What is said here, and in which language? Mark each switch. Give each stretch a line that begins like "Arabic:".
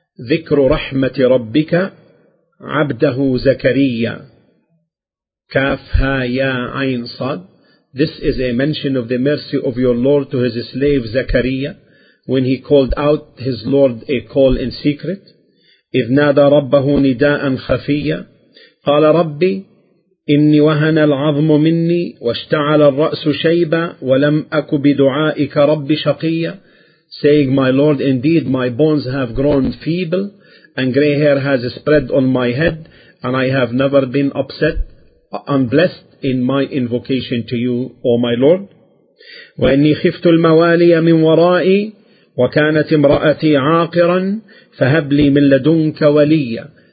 Arabic: Dhikru rahmati rabbika, abdahu zakariya. Kaf, ha, ya, ayn, sad.
English: This is a mention of the mercy of your Lord to his slave Zakariya, when he called out his Lord a call in secret.
Arabic: Idh nada rabbahu nida'an khafiya. Qala rabbi, إِنِّي وَهَنَ الْعَظْمُ مِنِّي وَاشْتَعَلَ الرَّأْسُ شَيْبًا وَلَمْ أَكُ بِدُعَائِكَ رَبِّ شَقِيًّا.
English: Saying, "My Lord, indeed my bones have grown feeble and grey hair has spread on my head, and I have never been upset, unblessed in my invocation to you, O my Lord.
Arabic: وَإِنِّي خِفْتُ الْمَوَالِيَ مِنْ وَرَائِي وَكَانَتْ امْرَأَتِي عَاقِرًا فَهَبْ لِي مِنْ لَدُنْكَ وَلِيًّا.